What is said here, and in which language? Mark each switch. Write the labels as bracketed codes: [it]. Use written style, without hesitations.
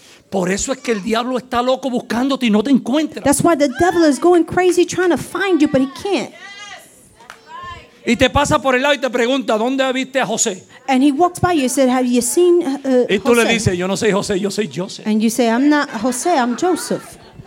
[es] Por eso es que el diablo está loco buscándote y no te encuentra. [en] That's why the devil is going crazy trying to find you, but he can't. [es] Y te pasa por el lado y te pregunta, ¿dónde viste a José? [en] And he walks by you and said, have you seen José? [es] Y tú le dices, yo no soy José, yo soy Joseph. [en] And you say, I'm not José, I'm Joseph.